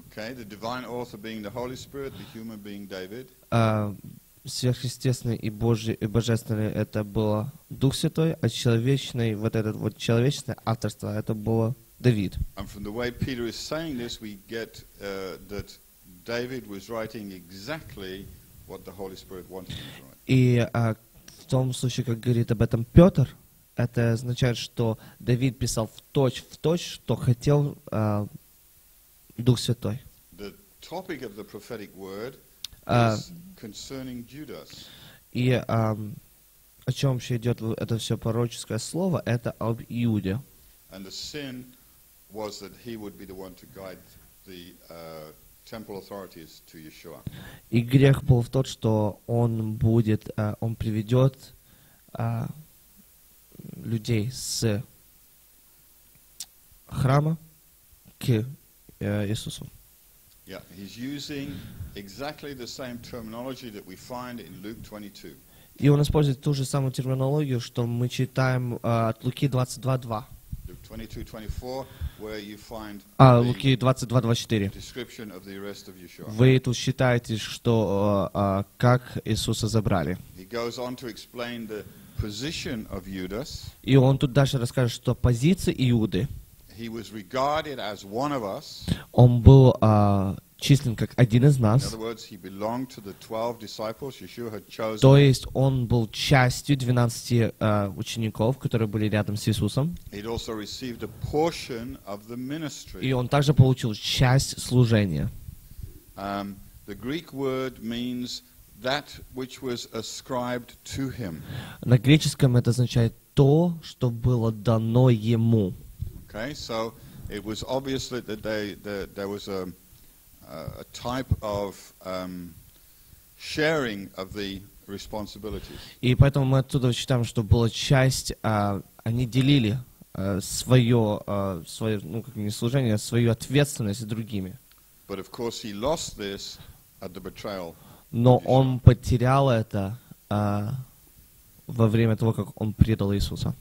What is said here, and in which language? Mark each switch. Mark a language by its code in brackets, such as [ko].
[en] Okay, the divine author being the Holy Spirit, the human being David. [ru] Сверхъестественный и Божий и божественный это было Дух Святой, а человечный вот этот вот человеческое авторство это было David. [en] And from the way Peter is saying this, we get that David was writing exactly what the Holy Spirit wanted him to write. [ru] И в том случае, как говорит об этом Петр, это означает, что Давид писал в точь, что хотел Дух Святой. [en] The topic of the prophetic word is concerning Judas. [ru] И о чем вообще идет это все пророческое слово, это об Иуде. [en] And the sin was that he would be the one to guide the temple authorities to Yeshua. [ru] И грех был в том, что он будет, он приведет людей с храма к Иисусу. [en] Yeah, he's using exactly the same terminology that we find in Luke 22. [ru] И он использует ту же самую терминологию, что мы читаем от Луки 22:2. [en] 22:24, where you find [ru] Луки 22:24. [en] Description of the arrest of Yeshua. [ru] Вы тут считаете, что как Иисуса забрали? [en] He goes on to explain the position of Judas. [ru] И он тут дальше расскажет, что позиция Иуды. [en] He was regarded as one of us. [ru] Он был числен как один из нас. [en] In other words, he belonged to the 12 disciples Yeshua had chosen. [ru] То есть он был частью 12 учеников, которые были рядом с Иисусом. [en] He'd also received a portion of the ministry. [ru] И он также получил часть служения. [en] The Greek word means that which was ascribed to him. [ru] На греческом это означает то, что было дано ему. [en] Okay, so it was obviously that there was a a type of sharing of the responsibilities. [ru] И поэтому мы оттуда читаем, что была часть, они делили свое, ну как не служение, свою ответственность с другими. [en] But of course he lost this at the betrayal. [ru] Но он потерял это во время того, как он предал Иисуса.